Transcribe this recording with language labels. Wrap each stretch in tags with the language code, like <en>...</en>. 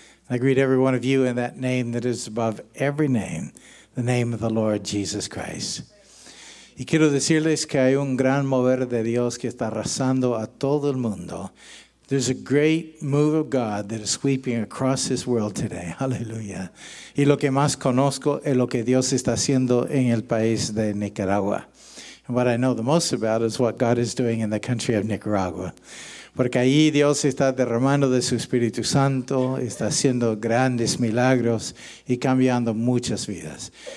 <en>I greet every one of you in that name that is above every name, the name of the Lord Jesus Christ.</en> <es>Y quiero decirles que hay un gran mover de Dios que está arrasando a todo el mundo.</es> <en>There's a great move of God that is sweeping across this world today. Hallelujah.</en> <es>Y lo que más conozco es lo que Dios está haciendo en el país de Nicaragua.</es> <en>And what I know the most about is what God is doing in the country of Nicaragua.</en> <es>Porque ahí Dios está derramando de su Espíritu Santo, está haciendo grandes milagros y cambiando muchas vidas.</es>